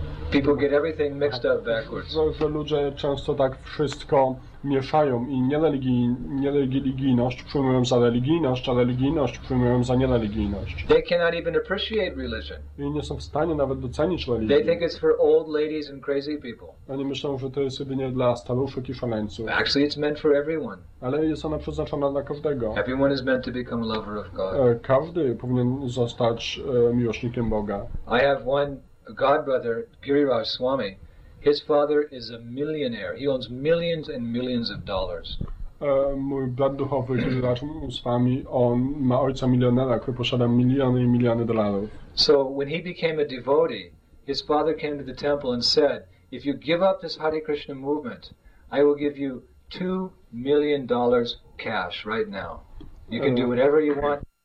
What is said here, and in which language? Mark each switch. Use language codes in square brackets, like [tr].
[en] people get everything mixed up backwards. [pl] Że ludzie często tak wszystko mieszają i nieligijność przyjmują za religijność, a religijność przyjmują za niereligijność. [en] They cannot even appreciate religion. [pl] I nie są w stanie nawet docenić religii. [en] They think it's for old ladies and crazy people. [pl] Oni myślą, że to jest jedynie dla staruszek i szaleńców. [en] Actually, it's meant for everyone. [pl] Ale jest ona przeznaczona dla każdego. [en] Everyone is meant to become a lover of God. [pl] Każdy powinien zostać miłośnikiem Boga. [en] I have one god brother, Giriraj Swami. His father is a millionaire. He owns millions and millions of dollars. [pl] Mój brat duchowy, Giriraj Swami, on ma ojca milionera, który posiada miliony i miliony dolarów. [en] So when he became a devotee, his father came to the temple and said, if you give up this Hare Krishna movement, I will give you $2 million cash right now. You can do whatever you want.